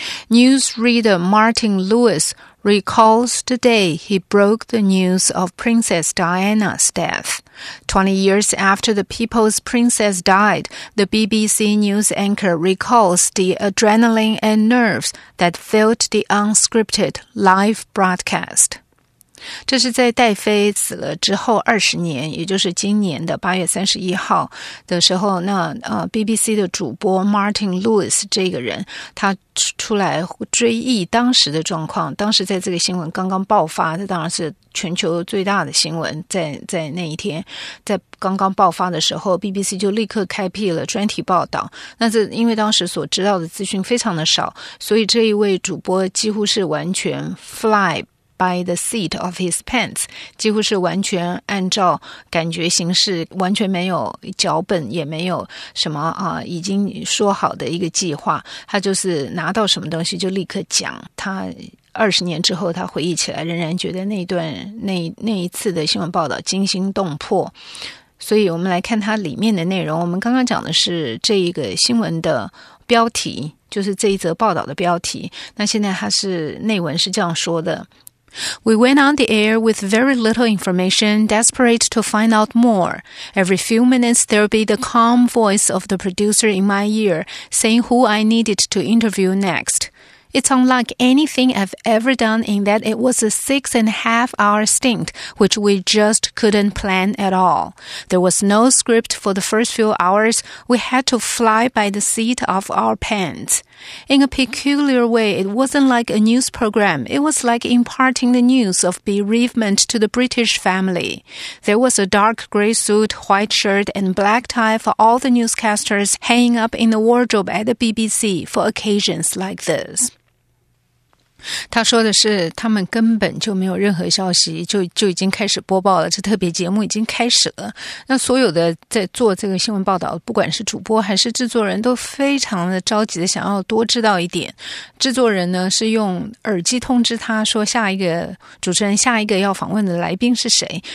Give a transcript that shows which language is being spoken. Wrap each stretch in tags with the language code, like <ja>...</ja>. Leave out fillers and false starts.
<en>Newsreader Martin Lewis recalls the day he broke the news of Princess Diana's death. 20 years after the People's Princess died, the BBC news anchor recalls the adrenaline and nerves that filled the unscripted live broadcast.</en> <zh>这是在戴妃死了之后20年，也就是今年的8月31号的时候，那BBC 的主播 Martin Lewis 这个人，他出来追忆当时的状况，当时在这个新闻刚刚爆发，这当然是全球最大的新闻，在那一天，在刚刚爆发的时候 ，BBC 就立刻开辟了专题报道。那这因为当时所知道的资讯非常的少，所以这一位主播几乎是完全 fly。</zh> <en>By the seat of his pants，</en> <zh>几乎是完全按照感觉行事，完全没有脚本，也没有什么已经说好的一个计划，他就是拿到什么东西就立刻讲。他20年之后，他回忆起来，仍然觉得那一次的新闻报道惊心动魄。所以我们来看它里面的内容。我们刚刚讲的是这一个新闻的标题，就是这一则报道的标题。那现在它是内文是这样说的。</zh> <en>We went on the air with very little information, desperate to find out more. Every few minutes, there would be the calm voice of the producer in my ear, saying who I needed to interview next. It's unlike anything I've ever done in that it was a 6.5-hour stint, which we just couldn't plan at all. There was no script for the first few hours. We had to fly by the seat of our pants. In a peculiar way, it wasn't like a news program. It was like imparting the news of bereavement to the British family. There was a dark gray suit, white shirt, and black tie for all the newscasters hanging up in the wardrobe at the BBC for occasions like this.</en> <zh>他说的是他们根本就没有任何消息 就已经开始播报了，这特别节目已经开始了。那所有的在做这个新闻报道，不管是主播还是制作人，都非常的着急的想要多知道一点。制作人呢是用耳机通知他说下一个主持人下一个要访问的来宾是谁。</zh>